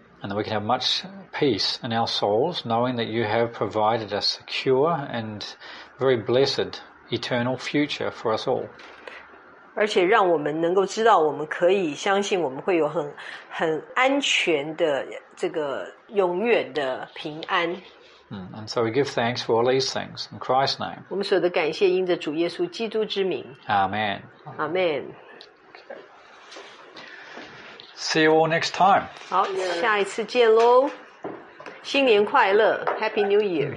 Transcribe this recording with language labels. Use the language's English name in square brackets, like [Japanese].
[English] And that we can have much peace in our souls, knowing that you have provided a secure and very blessed eternal future for us all. [Chinese] 而且让我们能够知道，我们可以相信我们会有很安全的这个永远的平安。 [English] And so we give thanks for all these things in Christ's name. [Chinese] 我们所有的感谢因着主耶稣基督之名。 [English] Amen. Amen. See you all next time. [Chinese] 好，下一次见喽！新年快乐 ， [English] Happy New Year!